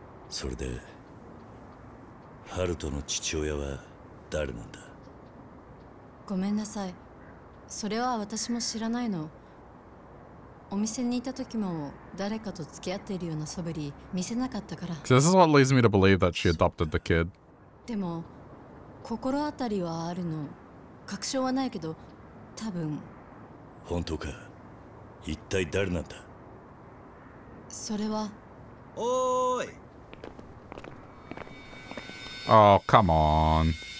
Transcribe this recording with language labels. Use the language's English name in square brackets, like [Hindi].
[Japanese] それでハルトの父親は誰なんだ？ごめんなさい、それは私も知らないの。お店にいた時も誰かと付き合っているようなそぶり見せなかったから。 [English] This is what leads me to believe that she adopted the kid. [Japanese] でも心当たりはあるの。確証はないけど多分。本当か？一体誰なんだ？それは。おーい。 [English] Oh, come on.